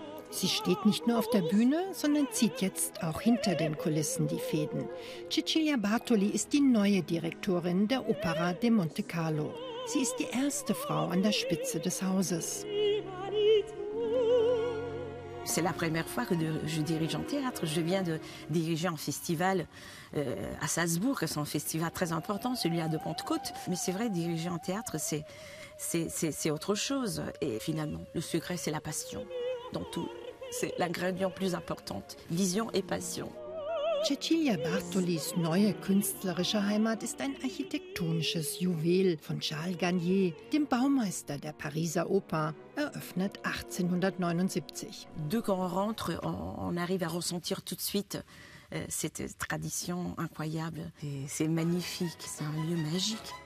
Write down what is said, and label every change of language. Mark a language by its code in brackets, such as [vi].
[de] Sie steht nicht nur auf der Bühne, sondern zieht jetzt auch hinter den Kulissen die Fäden. Cecilia Bartoli ist die neue Direktorin der Opera de Monte Carlo. Sie ist die erste Frau an der Spitze des Hauses. [fr] C'est la première fois que je dirige un théâtre. Je viens de diriger un festival à Salzbourg. C'est un festival très important, celui-là de Pentecôte. Mais c'est vrai, diriger un théâtre, c'est autre chose. Et finalement, le secret, c'est la passion dans tout. C'est l'ingrédient plus important, vision et passion. [de] Cecilia Bartolis neue künstlerische Heimat ist ein architektonisches Juwel von Charles Garnier, dem Baumeister der Pariser Oper, eröffnet 1879. [fr] Dès qu'on rentre, on arrive à ressentir tout de suite cette tradition incroyable. C'est magnifique, c'est un lieu magique.